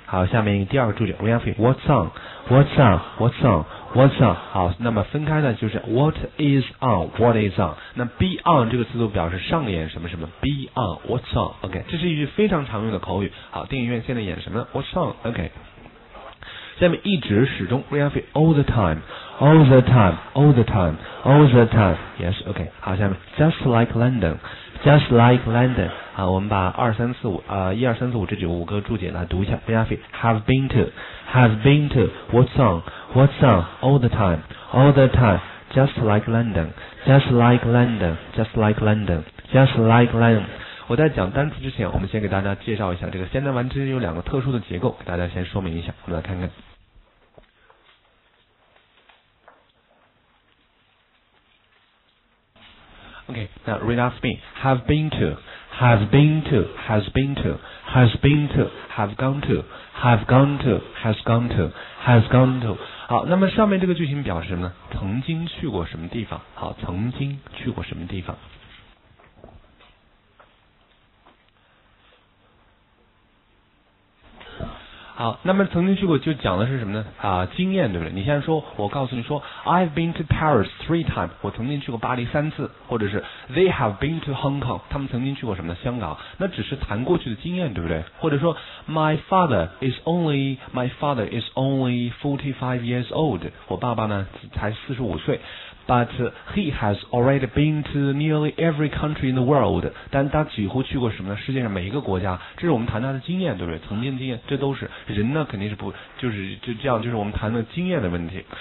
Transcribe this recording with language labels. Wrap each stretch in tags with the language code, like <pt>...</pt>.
<zh>好，下面一个第二个注解 Rianfi</zh> <en>what's on, what's on, what's on, what's on.</en> <zh>好，那么分开的就是</zh> <en>what is on, what is on.</en> <zh>那</zh> <en>be on</en> <zh>这个词组表示上演什么什么 ，</zh> <en>be on, what's on. OK.</en> <zh>这是一句非常常用的口语。好，电影院现在演什么 ？</zh> <en>What's on? OK.</en> <zh>下面一直始终 Rianfi</zh> <en>all the time, all the time, all the time, all the time. Yes, OK.</en> <zh>好，下面</zh> <en>just like London, just like London.</en> <zh>好，我们把一二三四五这五个注解来读一下。</zh> <en>Rianfi have been to, have been to. What's on? What's on? All the time, all the time. Just like London, just like London, just like London, just like London.</en> <zh>我在讲单词之前，我们先给大家介绍一下这个现在完之有两个特殊的结构，给大家先说明一下。我们来看看，</zh> <en>OK, 那 read after me, have been to, have been to, has been to, has been to, have gone to, have gone to, has gone to, has gone to.</en> <zh>好，那么上面这个句型表示什么呢？曾经去过什么地方？好，曾经去过什么地方？好，那么曾经去过就讲的是什么呢？啊，经验，对不对？你现在说，我告诉你说 ，</zh> <en>I've been to Paris 3 times，</en> <zh>我曾经去过巴黎三次，或者是</zh> <en>They have been to Hong Kong，</en> <zh>他们曾经去过什么呢？香港，那只是谈过去的经验，对不对？或者说 ，</zh> <en>My father is only 45 years old，</en> <zh>我爸爸呢才45岁。</zh> <en>But he has already been to nearly every country in the world.</en> <zh>但他几乎去过什么呢？世界上每一个国家。这是我们谈他的经验，对不对？曾经的经验，这都是人呢，肯定是不就是就这样，就是我们谈的经验的问题。</zh>